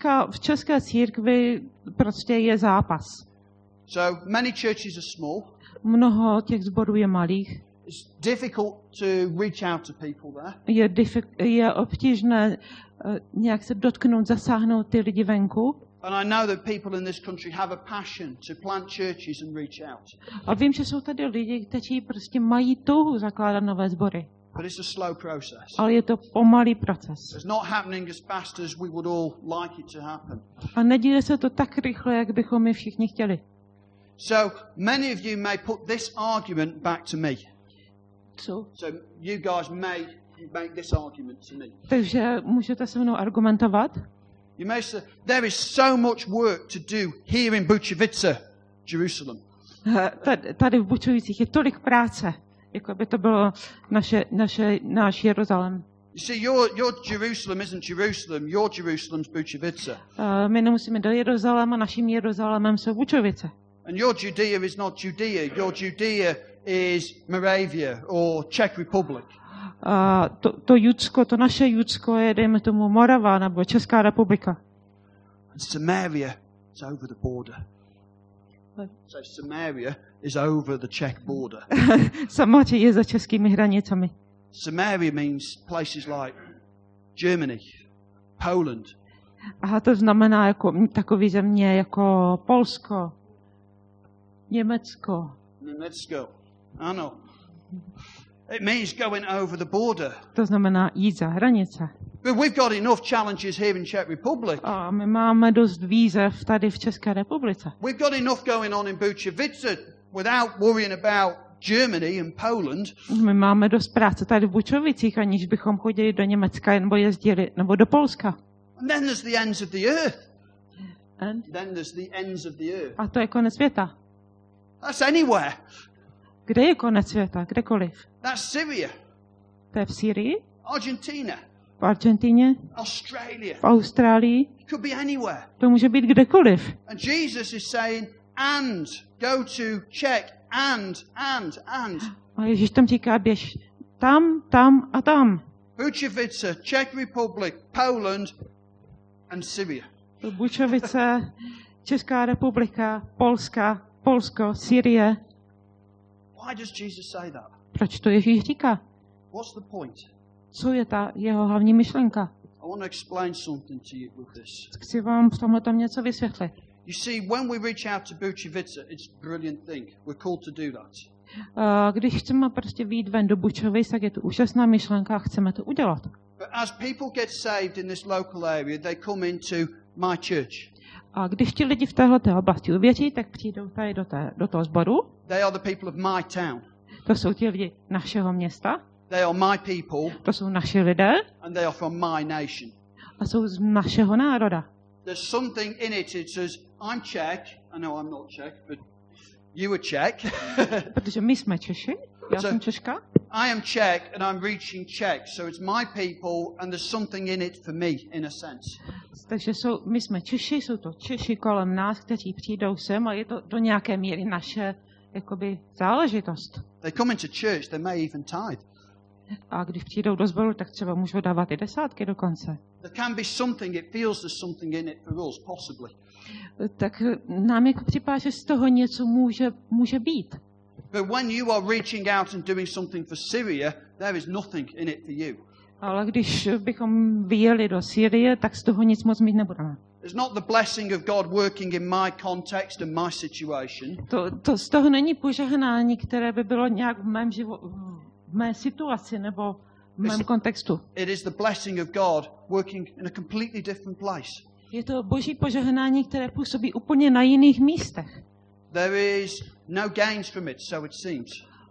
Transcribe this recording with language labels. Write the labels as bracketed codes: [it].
[cs] V české církvi prostě je zápas. [en] So many churches are small. [cs] Mnoho těch zborů je malých. [en] It's difficult to reach out to people there. [cs] Je obtížné nějak se dotknout, zasáhnout ty lidi venku. [en] And I know that people in this country have a passion to plant churches and reach out. [cs] A vím, že jsou tady lidi, kteří prostě mají touhu zakládat nové sbory. [en] But it's a slow process. [cs] Ale je to pomalý proces. [en] It's not happening as fast as we would all like it to happen. [cs] A neděje se to tak rychle, jak bychom my všichni chtěli. [en] So many of you may put this argument back to me. [cs] Co? [en] So you guys may make this argument to me. [cs] Takže můžete se mnou argumentovat? [en] You may say, there is so much work to do here in Bučovice, Jerusalem. [cs] Tady v Bučovicích je tolik práce, jako by to bylo náš Jeruzalém. [en] You see, your Jerusalem isn't Jerusalem, your Jerusalem's Bučovice. [cs] My nemusíme do Jeruzaléma, naším Jeruzalémem jsou Bučovice. [en] And your Judea is not Judea, your Judea is Moravia or Czech Republic. [cs] To Judsko, to naše Judsko je, dejme tomu, Morava nebo Česká republika. [en] Samaria is over the border. So Samaria is over the Czech border. [cs] Samaří je za českými hranicami. [en] Samaria means places like Germany, Poland. [cs] Aha, to znamená jako takový země jako Polsko, Německo. Německo, ano. [en] It means going over the border. [cs] To znamená jít za hranice. [en] But we've got enough challenges here in Czech Republic. [cs] A my máme dost výzev tady v České republice. [en] We've got enough going on in Bučovice without worrying about Germany and Poland. [cs] My máme dost práce tady v Bučovicích, aniž bychom chodili do Německa nebo jezdili nebo do Polska. [en] And then there's the ends of the earth. And? Then there's the ends of the earth. [cs] A to je konec světa. [en] That's anywhere. [cs] Kde je konec světa? Kdekoliv. [en] That's Syria. [cs] To je v Syrii. [en] Argentina. [cs] V Argentině. [en] Australia. [cs] V Austrálii. [en] It could be anywhere. [cs] To může být kdekoliv. [en] And Jesus is saying, and go to Czech, and. [cs] A Ježíš tam říká, běž tam a tam. [en] Bučovice, Czech Republic, Poland and Syria. [cs] Bučovice, Česká republika, Polska, Polsko, Syrie. [en] Why does Jesus say that? [cs] Proč to Ježíš říká? [en] What's the point? [cs] Co je ta jeho hlavní myšlenka? [en] I want to explain something to you with this. [cs] Chci vám v tomhle tom něco vysvětlit. [en] You see, when we reach out to Bučovice, it's a brilliant thing. We're called to do that. [cs] Když chceme prostě vyjít ven do Bučovic, tak je to úžasná myšlenka a chceme to udělat. [en] But as people get saved in this local area, they come into my church. [cs] A když ti lidi v téhleté oblasti uvěří, tak přijdou tady do toho sboru. [en] They are the people of my town. [cs] To jsou ti lidi našeho města. [en] They are my people. [cs] To jsou naši lidé. [en] And they are from my nation. [cs] A jsou z našeho národa. [en] There's something in it that says, I'm Czech. I know I'm not Czech, but you are Czech. [cs] Protože my jsme Češi. Já jsem Češka. [en] I am Czech and I'm reaching Czech, so it's my people and there's something in it for me in a sense. [cs] Takže jsou, my jsme Češi, jsou to Češi kolem nás, kteří přijdou sem, a je to do nějaké míry naše jakoby záležitost. [en] They come into church, they may even tithe. [cs] A když přijdou do sboru, tak třeba můžou dávat i desátky dokonce. [en] There can be something, it feels there's something in it for us, possibly. [cs] Tak nám jako připadá, že z toho něco může být. [en] But when you are reaching out and doing something for Syria, there is nothing in it for you. [cs] Ale když bychom vyjeli do Syrie, tak z toho nic moc mít nebudeme. [en] It's not the blessing of God working in my context and my situation. [cs] To z toho není požehnání, které by bylo nějak v mém životě, v mé situaci nebo v mém kontextu. [en] It is the blessing of God working in a completely different place. [cs] Je to Boží požehnání, které působí úplně na jiných místech. [en] There is no gains from it, so it seems.